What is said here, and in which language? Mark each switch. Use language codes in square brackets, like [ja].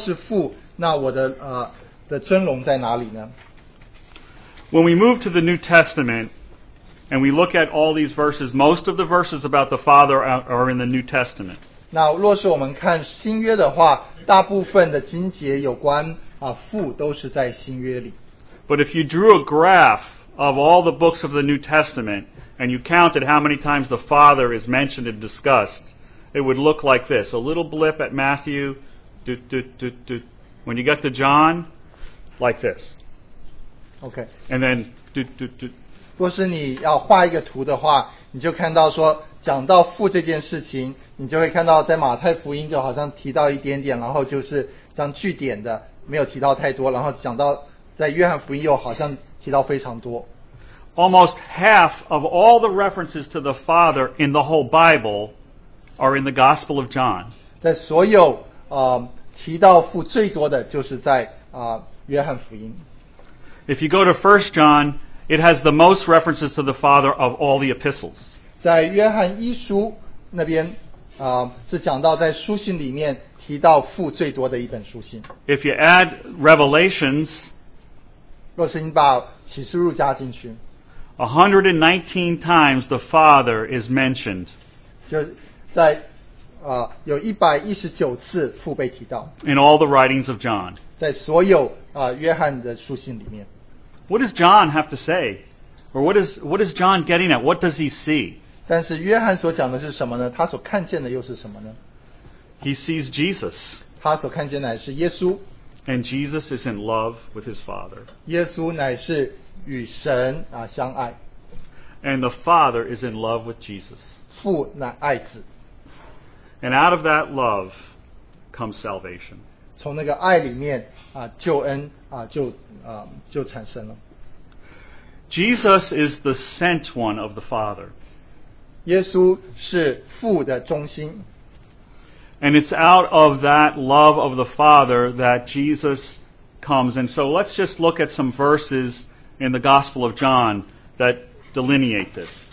[zh] 那神在马拉基书那边说到说，我若是父，那我的尊荣在哪里呢？ [en] When we move to the New Testament, and we look at all these verses, most of the verses about the Father are in the New Testament. [zh] 那若是我们看新约的话，大部分的经节有关父都是在新约里。 [en] But if you drew a graph of all the books of the New Testament and you counted how many times the Father is mentioned and discussed, it would look like this: a little blip at Matthew, when you get to John, like this. Okay. And then. [zh] 若是你要画一个图的话，你就看到说讲到父这件事情。 [en] Almost half of all the references to the Father in the whole Bible are in the Gospel of John. [zh] 在所有, 提到父罪过的就是在, [en] if you go to 1 John, it has the most references to the Father of all the epistles. [zh] 在约翰一书那边, 是讲到在书信里面, [en] if you add Revelations, [zh] 若是你把启示录加进去, [en] 119 times the Father is mentioned. [zh] 就在, 有119次父被提到, [en] in all the writings of John. [zh] 在所有, 约翰的书信里面, [en] what does John have to say? Or what is John getting at? What does he see? [zh] 但是约翰所讲的是什么呢?他所看见的又是什么呢? [en] He sees Jesus. [zh] 他所看见的是耶稣, [en] and Jesus is in love with his Father. [zh] 耶稣乃是与神, 相爱, [en] and the Father is in love with Jesus. [zh] 父乃爱子, [en] and out of that love comes salvation. [zh] 从那个爱里面, 救恩, 就产生了。 [en] Jesus is the sent one of the Father. [zh] 耶稣是父的中心。 [en] And it's out of that love of the Father that Jesus comes. And so let's just look at some verses in the Gospel of John that delineate this.